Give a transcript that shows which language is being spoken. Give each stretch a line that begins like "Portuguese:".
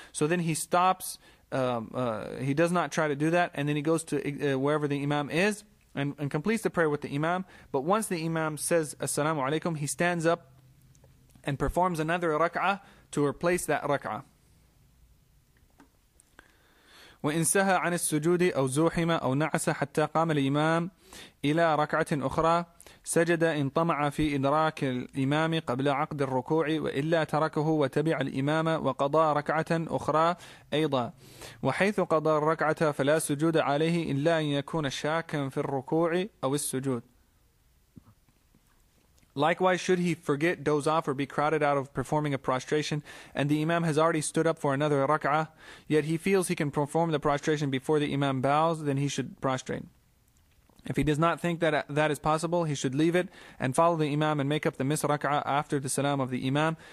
English: So then he stops, he does not try to do that, and then he goes to wherever the imam is and completes the prayer with the imam. But once the imam says assalamu alaikum, he stands up and performs another rak'ah to replace that rak'ah.
Arabic: وإن سهى عن السجود أو زحم أو نعس حتى قام الإمام إلى ركعة أخرى سجد إن طمع في إدراك الإمام قبل عقد الركوع وإلا تركه وتبع الإمام وقضى ركعة أخرى أيضا وحيث قضى الركعة فلا سجود عليه إلا أن يكون شاكا في الركوع أو السجود.
English: Likewise, should he forget, doze off, or be crowded out of performing a prostration, and the imam has already stood up for another rak'ah, yet he feels he can perform the prostration before the imam bows, then he should prostrate. If he does not think that that is possible, he should leave it and follow the imam and make up the missed rak'ah after the salam of the imam.